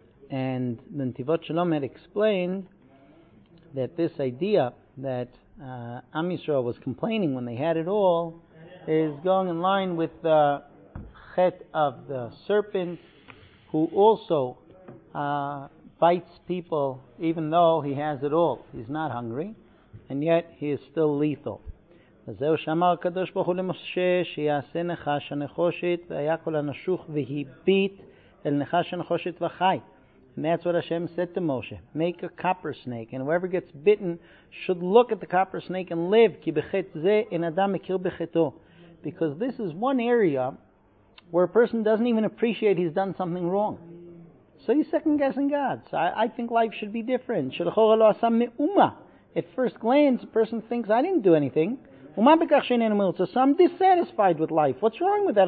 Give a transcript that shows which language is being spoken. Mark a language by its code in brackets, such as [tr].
[en] And the Netivot Shalom had explained that this idea that Am Yisrael was complaining when they had it all is going in line with the Chet of the serpent, who also bites people even though he has it all. He's not hungry, and yet he is still lethal. [he] וזהו שאמר הקדוש ברוך הוא למשה שיעשה נחש הנחושת והיה כל הנשוך והביט אל נחש הנחושת וחי. [en] And that's what Hashem said to Moshe. Make a copper snake, and whoever gets bitten should look at the copper snake and live. [he] כי בחטא זה אין אדם מכיר בחטאו. [en] Because this is one area where a person doesn't even appreciate he's done something wrong. So he's second guessing God. So I think life should be different. [he] שלכאורה לא עשה מאומה. [en] At first glance, a person thinks, I didn't do anything. So I'm dissatisfied with life. What's wrong with that?